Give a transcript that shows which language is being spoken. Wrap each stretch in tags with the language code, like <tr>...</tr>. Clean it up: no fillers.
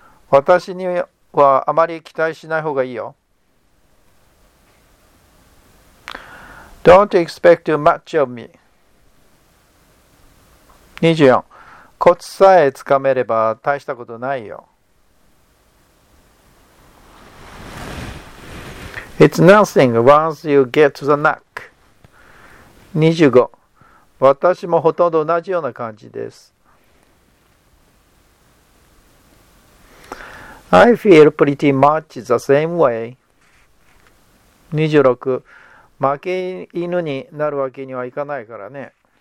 <ja>私にはあまり期待しない方がいいよ。</ja> <en>Don't expect too much of me. 24.</en> <ja>コツさえつかめれば大したことないよ。</ja> <en>It's nothing once you get to the knack.</en> <ja>25. 私もほとんど同じような感じです。</ja> <en>I feel pretty much the same way. 26.</en> <ja>負け犬になるわけにはいかないからね。</ja>